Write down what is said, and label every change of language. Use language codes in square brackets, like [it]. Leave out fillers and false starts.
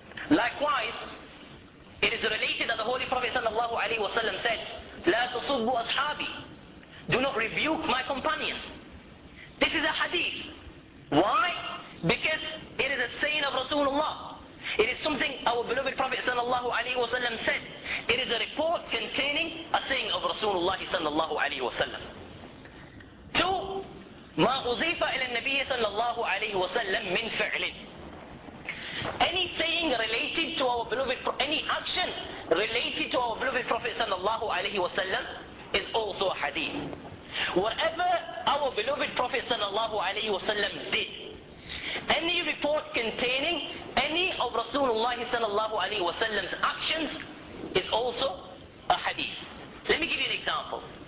[en] Likewise, it is related that the Holy Prophet sallallahu alayhi wa sallam said, [ar] لَا تُصُبُّ أَصْحَابِي [en] Do not rebuke my companions. This is a hadith. Why? Because it is a saying of Rasulullah. It is something our beloved Prophet sallallahu alayhi wa sallam said. It is a report containing a saying of Rasulullah sallallahu alayhi wa sallam. [ar] Two, ما أضيف إلى النبي صلى الله عليه وسلم من فعل. [en] Any saying related to our beloved, any action related to our beloved Prophet صلى الله عليه وسلم is also a hadith. Whatever our beloved Prophet صلى الله عليه وسلم did, any report containing any of Rasulullah صلى الله عليه وسلم's actions is also a hadith. Let me give you an example.